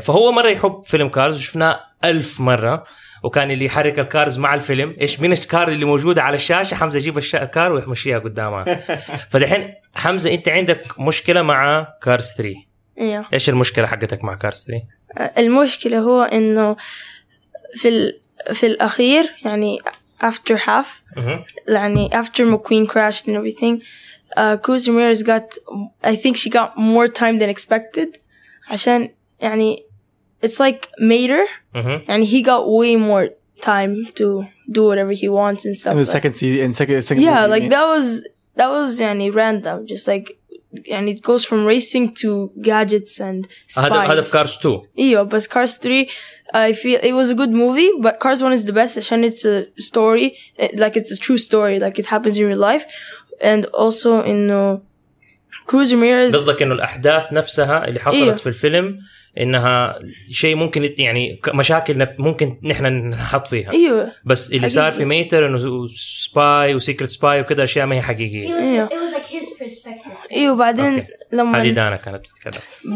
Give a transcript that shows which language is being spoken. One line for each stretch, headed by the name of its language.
Arabic: فهو مرة يحب فيلم كارز وشفناه ألف مرة، وكان اللي يحرك الكارز مع الفيلم ايش مين الكار اللي موجودة على الشاشة، حمزة يجيب الكار ويحمشيها قدامها. فدحين حمزة انت عندك مشكلة مع كارز 3، ايوه ايش المشكلة حقتك مع كارز 3؟ المشكلة هو انه في الاخير يعني
English: after half يعني after McQueen crashed and everything Cruz Ramirez got I think she got more time than expected
Arabic: عشان يعني
English: it's like Mater and he got way more time to do whatever he wants and stuff in the second season in second yeah like mean. that was يعني random just like يعني it goes from racing to gadgets and spies.
Arabic: هذا Cars 2 ايوه، بس
English: Cars 3 I feel it was a good movie but Cars 1 is the best عشان it's a story like it's a true story like it happens in real life and also in Cruz Ramirez
Arabic: قصدك انه الاحداث نفسها اللي حصلت إيه. في الفيلم انها شيء ممكن يعني مشاكل ممكن نحن نحط فيها ايوه، بس اللي حقيقي. صار في ميتر انه سباي وسيكرت سباي وكذا اشياء ما هي حقيقيه
English: ايوه، it was like his perspective
Arabic: ايوه. بعدين لما هذه دانا كانت تتكلم